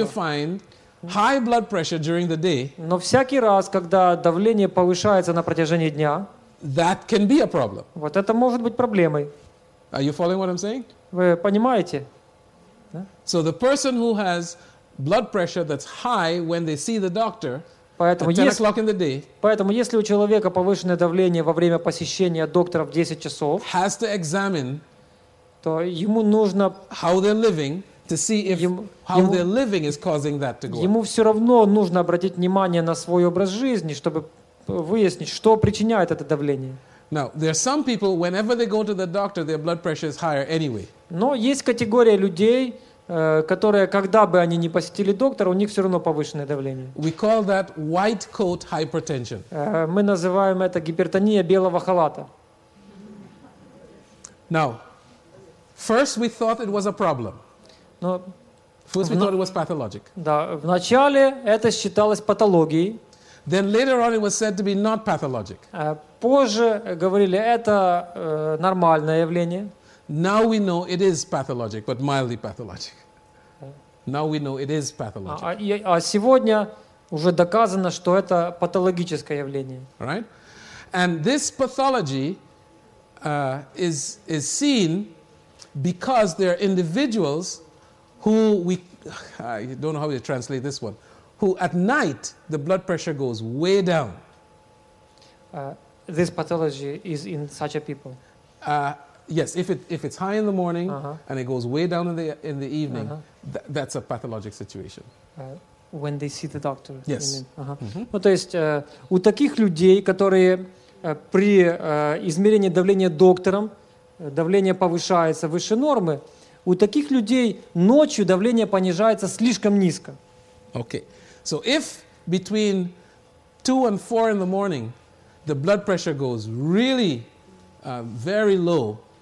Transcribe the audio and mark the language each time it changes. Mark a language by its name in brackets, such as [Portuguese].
[English] You find high blood pressure during the day, [Russian] но всякий раз, когда давление повышается на протяжении дня, [English] that can be a problem. [Russian] Вот это может быть проблемой. [English] Are you following what I'm saying? [Russian] Вы понимаете? [English] So the person who has blood pressure that's high when they see the doctor, [Russian] поэтому [English] at 10 o'clock in the day, [Russian] поэтому если у человека повышенное давление во время посещения доктора в 10 часов, [English] has to examine, [Russian] то ему нужно [English] how they're living to see if how their living is causing that to go. [Russian] Ему все равно нужно обратить внимание на свой образ жизни, чтобы выяснить, что причиняет это давление. [English] Now, there are some people, whenever they go to the doctor, their blood pressure is higher anyway. [Russian] Но есть категория людей, которые, когда бы они ни посетили доктора, у них все равно повышенное давление. [English] We call that white coat hypertension. [Russian] Мы называем это гипертония белого халата. [English] Now, first we thought it was a problem. First we thought it was pathologic. [Russian] Да, вначале это считалось патологией. [English] Then later on it was said to be not pathologic. [Russian] Позже говорили, это нормальное явление. [English] Now we know it is pathologic, but mildly pathologic. Now we know it is pathologic. [Russian] А сегодня уже доказано, что это патологическое явление. [English] Right? And this pathology is seen because there are individuals who I don't know how to translate this one. Who at night the blood pressure goes way down. This pathology is in such a people. Yes, if it's high in the morning and it goes way down in the evening, that's a pathologic situation. When they see the doctor. Yes. [Russian] Ну то есть у таких людей, которые при измерении давления доктором давление повышается выше нормы, у таких людей ночью давление понижается слишком низко. [English] Okay. So if between 2 and 4 in the morning the blood pressure goes really very low.